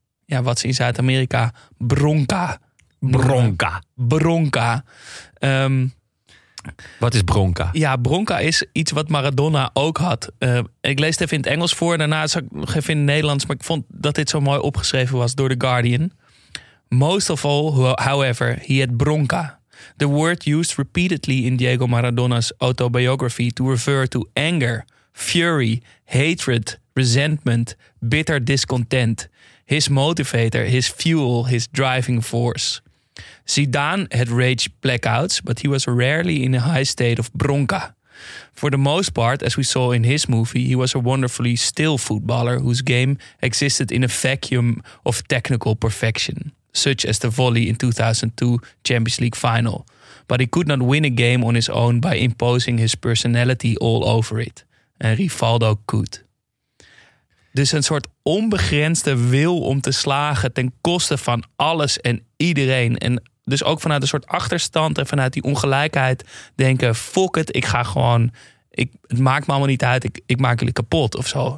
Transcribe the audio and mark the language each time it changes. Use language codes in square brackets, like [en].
[nl] Ja, wat ze in Zuid-Amerika. Bronca. Bronca. Bronca. Wat is bronca? Ja, bronca is iets wat Maradona ook had. Ik lees het even in het Engels voor. Daarna zag ik nog even in het Nederlands. Maar ik vond dat dit zo mooi opgeschreven was door The Guardian. [en] Most of all, however, he had bronca. The word used repeatedly in Diego Maradona's autobiography to refer to anger, fury, hatred, resentment, bitter discontent. His motivator, his fuel, his driving force. Zidane had rage blackouts, but he was rarely in a high state of bronca. For the most part, as we saw in his movie, he was a wonderfully still footballer whose game existed in a vacuum of technical perfection, such as the volley in 2002 Champions League final. But he could not win a game on his own by imposing his personality all over it. And Rivaldo could. [nl] Dus een soort onbegrensde wil om te slagen ten koste van alles en iedereen. En dus ook vanuit een soort achterstand en vanuit die ongelijkheid denken, fuck it, ik ga gewoon. Het maakt me allemaal niet uit, ik maak jullie kapot of zo.